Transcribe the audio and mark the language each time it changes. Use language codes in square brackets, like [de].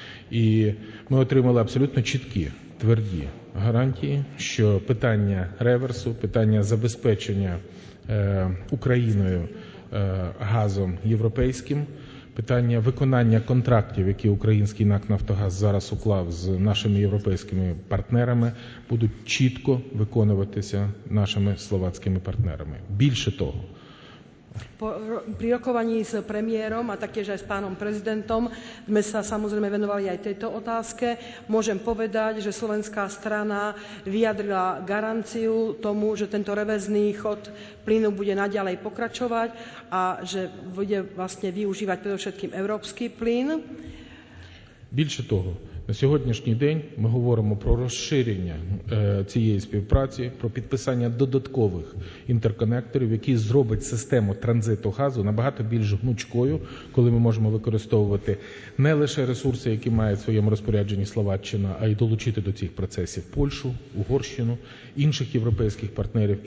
[uk] І ми отримали абсолютно чіткі, тверді гарантії, що питання реверсу, питання забезпечення Україною газом європейським, питання виконання контрактів, які український НАК «Нафтогаз» зараз уклав з нашими європейськими партнерами, будуть чітко виконуватися нашими словацькими партнерами. Більше того, [sk] при rokovaní s premiérom a taktiež aj s pánom prezidentom sme sa samozrejme venovali aj tejto otázke. Môžem povedať, že slovenská strana vyjadrila garanciu tomu, že tento reverzný chod plynu bude naďalej pokračovať a že bude vlastne využívať predovšetkým európsky plyn. [uk] Більше того, на сьогоднішній день ми говоримо про розширення цієї співпраці, про підписання додаткових інтерконекторів, які зробить систему транзиту газу набагато більш гнучкою, коли ми можемо використовувати не лише ресурси, які має в своєму розпорядженні Словаччина, а й долучити до цих процесів Польщу, Угорщину, інших європейських партнерів.